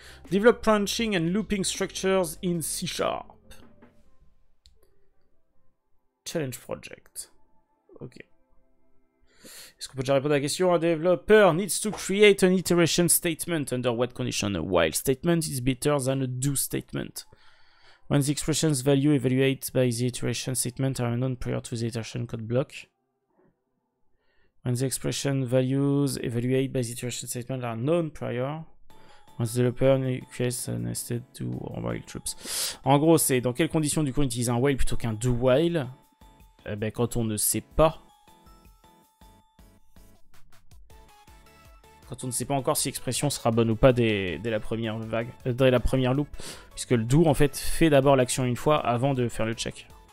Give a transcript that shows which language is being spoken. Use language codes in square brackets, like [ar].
[en] Develop branching and looping structures in C#. Challenge project. Ok. [fr] Est-ce qu'on peut déjà répondre à la question? Un développeur [en] needs to create an iteration statement under what condition? A while statement is better than a do statement. When the expression's value evaluated by the iteration statement are unknown prior to the iteration code block. When the expression values evaluated by the iteration statement are known prior. When the developer creates a nested do while loops. [fr] En gros, c'est dans quelles conditions du coup on utilise un while plutôt qu'un do while? Ben, quand on ne sait pas. Quand on ne sait pas encore si l'expression sera bonne ou pas dès la première vague, dès la première loop, puisque le do en fait fait d'abord l'action une fois avant de faire le check.